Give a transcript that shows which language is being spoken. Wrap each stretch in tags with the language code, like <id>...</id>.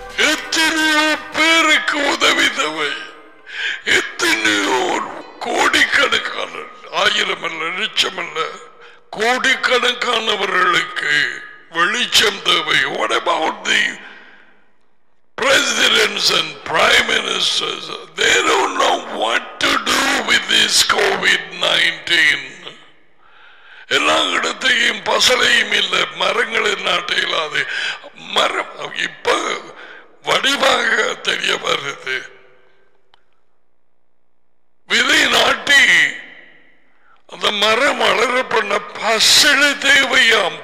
<ta>எத்தனையோ பேருக்கு உதவி தேவை, எத்தனையோ கோடிக்கணக்கான, 1000 அல்ல, லட்சம் அல்ல, கோடிக்கணக்கானவர்களுக்கு வெளிச்சம் தேவை.</ta> <en>What about the presidents and prime ministers? They don't know what to do with this COVID-19.</en> <ta>எல்லா இடத்தையும் பசலையும் இல்லை, மரங்களின் நாட்டை இல்லாது மரம் இப்ப வடிவாக தெரிய வருது. விதை நாட்டி அந்த மரம் வளர பண்ண பசலை தேவையாம்.</ta>